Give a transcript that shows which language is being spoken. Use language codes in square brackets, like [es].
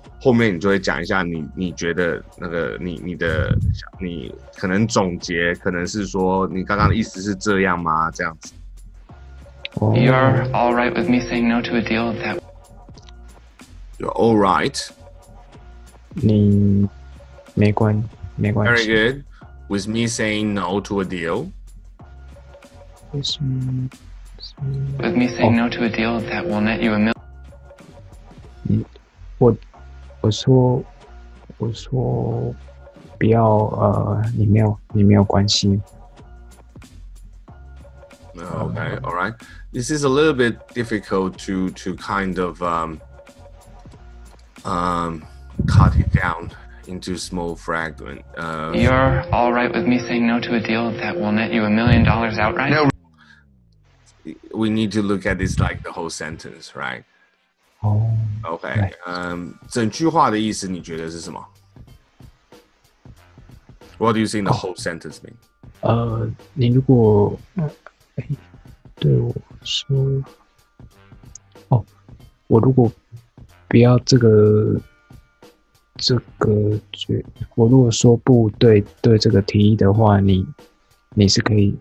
[zh] 后面你就会讲一下你觉得那个你可能总结可能是说你刚刚的意思是这样吗？这样子。 [en] You're all right with me saying no to a deal that. You're all right. [zh] 你没关系。 [en] Very good. With me saying no to a deal. With me saying no to a deal that will net you $1 million. [zh] 我说不要你没有关系。 [en] Okay, all right. This is a little bit difficult to kind of cut it down into small fragment. You're all right with me saying no to a deal that will net you $1 million outright? No. We need to look at this like the whole sentence, right? Oh, okay. Right. [zh] 整句话的意思你觉得是什么？ [en] What do you think the whole sentence mean? [zh] 你如果对我说，哦，我如果不要这个决，我如果说不对对这个提议的话，你是可以。